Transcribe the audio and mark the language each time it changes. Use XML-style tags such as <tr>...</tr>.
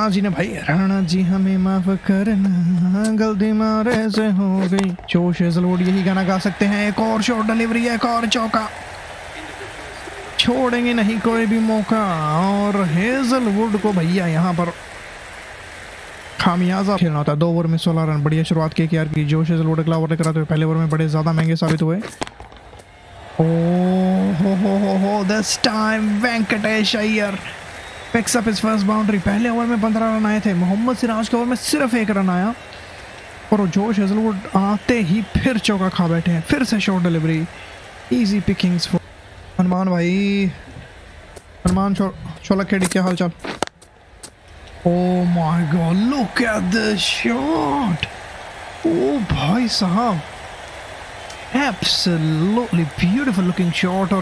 <hi>Rana ji ne bhai, Rana ji hame maaf karna, galti mare se ho gayi. Josh Hazlewood yahi gana ga sakte hain. Ek aur shot delivery, ek aur chauka, chhodenge nahi koi bhi mauka. Aur Hazlewood ko bhaiya yahan par खामियाजा खेलना होता है। 2 over में 16 run, बढ़िया शुरुआत के KKR की। Josh Hazlewood अगला ओवर लेकर आते हुए पहले ओवर में बड़े ज्यादा महंगे साबित हुए।</hi> <en>ओ हो, this time Venkatesh Iyer picks up his first boundary.</en> <hi>पहले ओवर में 15 रन आए थे, मोहम्मद सिराज के ओवर में सिर्फ 1 रन आया और जोश हेजलवुड आते ही फिर चौका खा बैठे हैं। फिर से</hi> <en>Short delivery, easy pickings for Hanuman भाई।</en> <hi>हनुमान छोला खेड़ी, क्या हालचाल?</hi> <en>Oh my god, look at the shot! Oh,</en> <hi>bhai sahab!</hi> <en>Absolutely beautiful looking shot.</en>